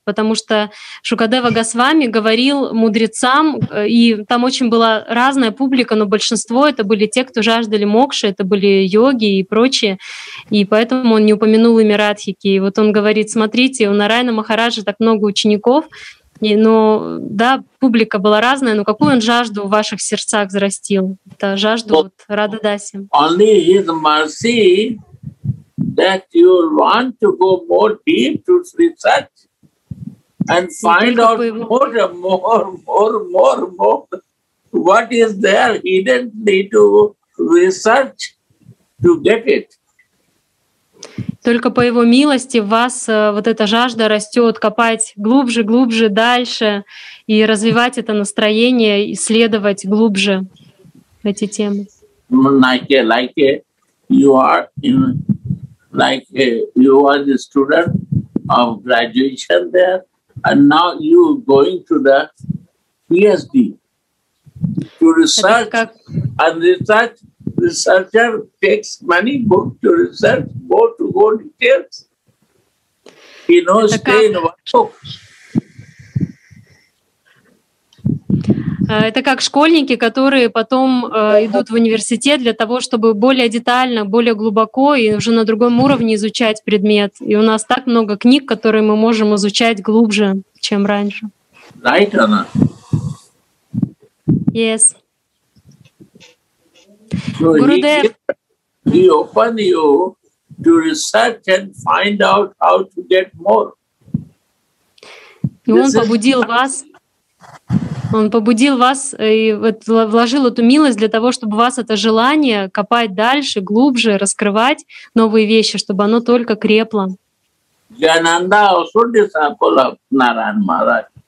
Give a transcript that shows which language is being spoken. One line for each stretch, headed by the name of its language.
Russian: Потому что Шукадева Госвами говорил мудрецам, и там очень была разная публика, но большинство — это были те, кто жаждали мокши, это были йоги и прочие. И поэтому он не упомянул имя Радхики. И вот он говорит, смотрите, у Нарайана Махараджа так много учеников, но, да, публика была разная, но какую он жажду в ваших сердцах взрастил? Это жажду вот Рададаси.
English: Only his mercy that you want to go more deep to research and find out more, what is there hiddenly to research to get it.
Russian: Только по его милости в вас вот эта жажда растет, копать глубже, глубже, дальше и развивать это настроение, исследовать глубже эти темы.
English: Like you are in, like you are the student of graduation there, and now you going to the PhD to research, and research. Researcher takes many books to research, more to go details. He knows stay in one book.
Russian: Это как школьники, которые потом идут в университет для того, чтобы более детально, более глубоко и уже на другом уровне изучать предмет. И у нас так много книг, которые мы можем изучать глубже, чем раньше.
English: Right, Anna? Yes. So he open you to research and find out how to get more.
Russian: И он побудил вас. Он побудил вас и вот вложил эту милость для того, чтобы у вас это желание копать дальше, глубже, раскрывать новые вещи, чтобы оно только крепло.
English: Jayananda also disciple of Narayan Maharaj.